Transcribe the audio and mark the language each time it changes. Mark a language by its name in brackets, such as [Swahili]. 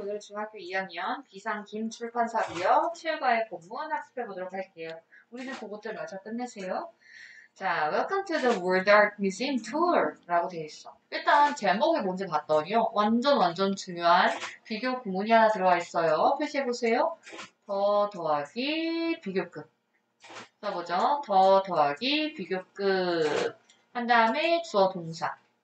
[Korean] 오늘 중학교 2학년 비상 김 출판사고요. 7과의 본문 학습해 보도록 할게요. 우리는 그것들 마저 끝내세요. [English] 자, Welcome to the World Art Museum Tour [Korean] 라고 되어 있어. 일단 제목이 뭔지 봤더니요. 완전 중요한 비교 구문이 하나 들어와 있어요. 표시해 보세요. 더 더하기 비교급. 써보죠. 더 더하기 비교급. 한 다음에 주어 동사.